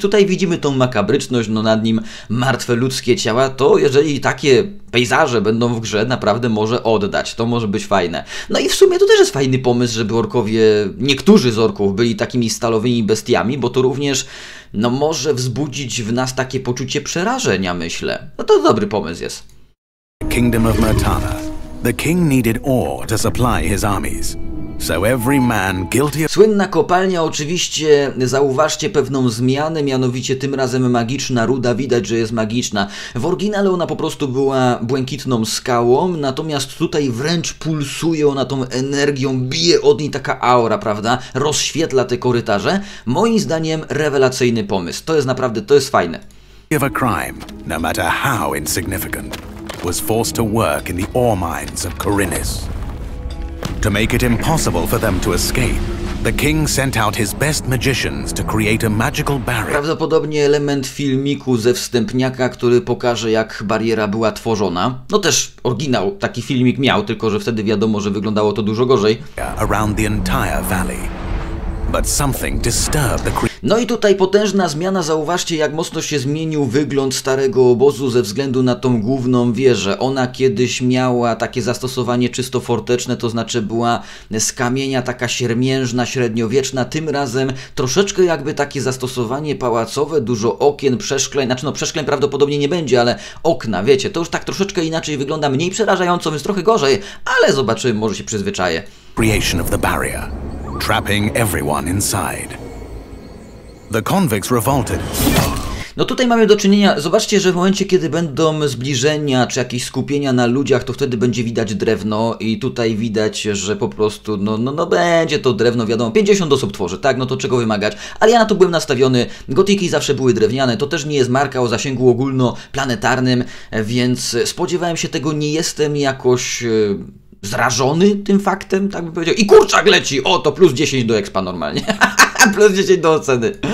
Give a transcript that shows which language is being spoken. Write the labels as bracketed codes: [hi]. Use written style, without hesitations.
[pl] Tutaj widzimy tą makabryczność, no nad nim martwe ludzkie ciała, to jeżeli takie pejzaże będą w grze, naprawdę może oddać, to może być fajne. No i w sumie to też jest fajny pomysł, żeby orkowie, niektórzy z orków byli takimi stalowymi bestiami, bo to również, no może wzbudzić w nas takie poczucie przerażenia, myślę. No to dobry pomysł jest. Kingdom of Mertana. [en] The king needed ore to supply his armies. So every man guilty. [pl] Słynna kopalnia, oczywiście zauważcie pewną zmianę, mianowicie tym razem magiczna ruda, widać, że jest magiczna. W oryginale ona po prostu była błękitną skałą, natomiast tutaj wręcz pulsuje ona tą energią, bije od niej taka aura, prawda? Rozświetla te korytarze. Moim zdaniem rewelacyjny pomysł. To jest naprawdę, to jest fajne. [en] A crime, no matter how insignificant. Was forced to work in the ore mines of Corinnes. To make it impossible for them to escape, the king sent out his best magicians to create a magical barrier. [pl] Prawdopodobnie element filmiku ze wstępniaka, który pokaże, jak bariera była tworzona. No też oryginał taki filmik miał, tylko że wtedy wiadomo, że wyglądało to dużo gorzej. [en] Around the entire valley. but something disturbed the creature. [pl] No i tutaj potężna zmiana, zauważcie jak mocno się zmienił wygląd starego obozu ze względu na tą główną wieżę. Ona kiedyś miała takie zastosowanie czysto forteczne, to znaczy była z kamienia taka siermiężna, średniowieczna. Tym razem troszeczkę jakby takie zastosowanie pałacowe, dużo okien, przeszkleń, znaczy no przeszkleń prawdopodobnie nie będzie, ale okna, wiecie, to już tak troszeczkę inaczej wygląda, mniej przerażająco, więc trochę gorzej, ale zobaczymy, może się przyzwyczaję. [en] Creation of the barrier, trapping everyone inside. The convicts revolted. [pl] No tutaj mamy do czynienia, zobaczcie, że w momencie, kiedy będą zbliżenia czy jakieś skupienia na ludziach, to wtedy będzie widać drewno i tutaj widać, że po prostu, no będzie to drewno, wiadomo, 50 osób tworzy, tak, no to czego wymagać, ale ja na to byłem nastawiony, gotiki zawsze były drewniane, to też nie jest marka o zasięgu ogólnoplanetarnym, więc spodziewałem się tego, nie jestem jakoś zrażony tym faktem, tak bym powiedział, i kurczak leci, o to plus 10 do expa normalnie, plus 10 do oceny.